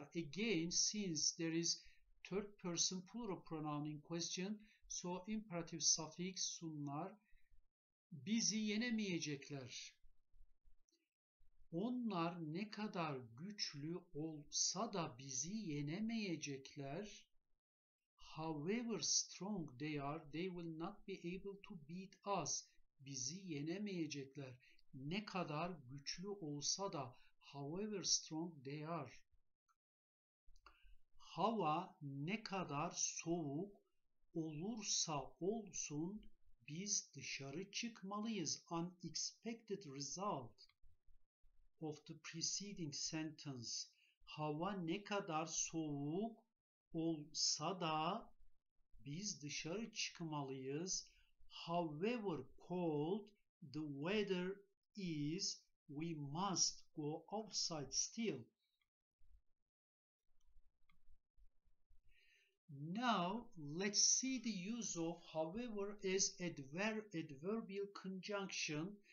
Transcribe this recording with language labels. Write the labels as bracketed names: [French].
[English] Again, since there is third person plural pronoun in question, so imperative suffix sunlar. [Turkish] Bizi yenemeyecekler. Onlar ne kadar güçlü olsa da bizi yenemeyecekler. [English] However strong they are, they will not be able to beat us. [Turkish] Bizi yenemeyecekler. Ne kadar güçlü olsa da, [English] however strong they are. [Turkish] Hava ne kadar soğuk olursa olsun biz dışarı çıkmalıyız. [English] Unexpected result of the preceding sentence. [Turkish] Hava ne kadar soğuk olsa da biz dışarı çıkmalıyız. [English] However cold the weather is, we must go outside still. Now let's see the use of however as adverbial conjunction.